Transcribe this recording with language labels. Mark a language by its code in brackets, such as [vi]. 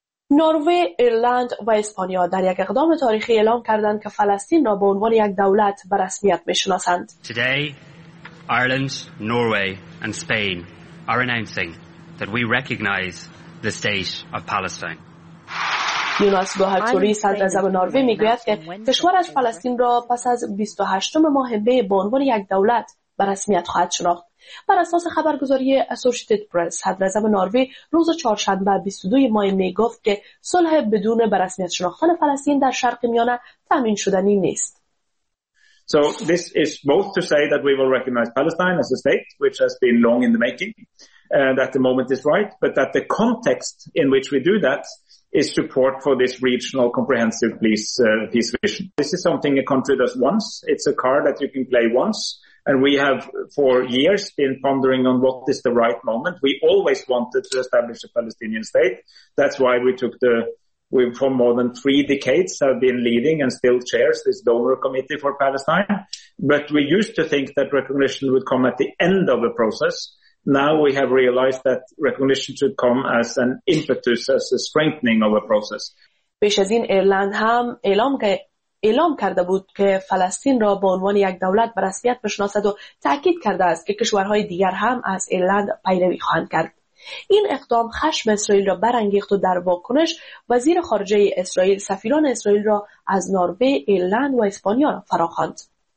[fa] نروژ، ایرلند و اسپانیا در یک اقدام تاریخی اعلام کردند که فلسطین را به عنوان یک دولت به رسمیت میشناسند. [en] Today, Ireland, Norway and Spain are announcing that we recognize the state of Palestine. [fa] یوناس گوهرتوری صدر اعظم نروژ میگوید که کشورش فلسطین را پس از 28 ماه مه به عنوان یک دولت به رسمیت خواهد شناخت. بر اساس خبرگزاری اسوسییتد پرس، صدر اعظم نروژ روز چهارشنبه 22 ماه می گفت که صلح بدون به رسمیت شناختن فلسطین در شرق میانه تضمین شدنی نیست. [en] So this is both to say that we will recognize Palestine as a state which has been long in the making and that the moment is right, but that the context in which we do that is support for this regional comprehensive peace vision. This is something a country does once. It's a card that you can play once. And we have for years been pondering on what is the right moment. We always wanted to establish a Palestinian state. That's why we for more than three decades have been leading and still chairs this donor committee for Palestine. But we used to think that recognition would come at the end of a process. Now we have realized that recognition should come as an impetus, as a strengthening of a process. [fa] پیش از این ایرلند هم اعلام کرده بود که فلسطین را به عنوان یک دولت به رسمیت بشناسد و تأکید کرده است که کشورهای دیگر هم از ایرلند پیروی خواهند کرد. این اقدام خشم اسرائیل را برانگیخت و در واکنش وزیر خارجه اسرائیل سفیران اسرائیل را از نروژ، ایرلند و اسپانیا را فراخواند.